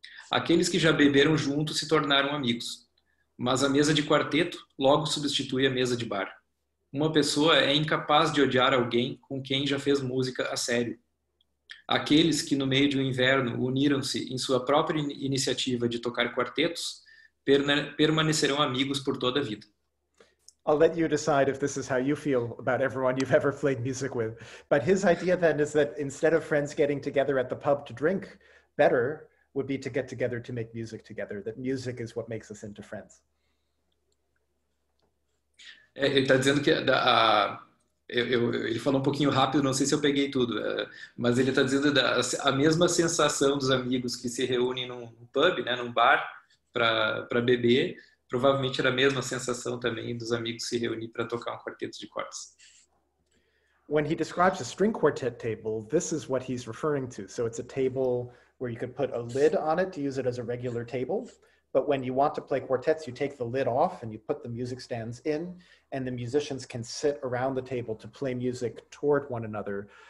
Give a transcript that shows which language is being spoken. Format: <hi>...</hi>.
<pt>Aqueles que já beberam juntos se tornaram amigos. Mas a mesa de quarteto logo substitui a mesa de bar. Uma pessoa é incapaz de odiar alguém com quem já fez música a sério. Aqueles que no meio de um inverno uniram-se em sua própria iniciativa de tocar quartetos permanecerão amigos por toda a vida.</pt> <en>I'll let you decide if this is how you feel about everyone you've ever played music with. But his idea then is that instead of friends getting together at the pub to drink, better, would be to get together to make music together, that music is what makes us into friends.</en> <pt>É, ele está dizendo que ele falou um pouquinho rápido, não sei se eu peguei tudo, mas ele está dizendo da a mesma sensação dos amigos que se reúnem num pub, né, num bar, para beber, provavelmente era a mesma sensação também dos amigos se reunir para tocar um quarteto de cordas.</pt> <en>When he describes a string quartet table, this is what he's referring to. So it's a table where you could put a lid on it to use it as a regular table. But when you want to play quartets, you take the lid off and you put the music stands in, and the musicians can sit around the table to play music toward one another.</en>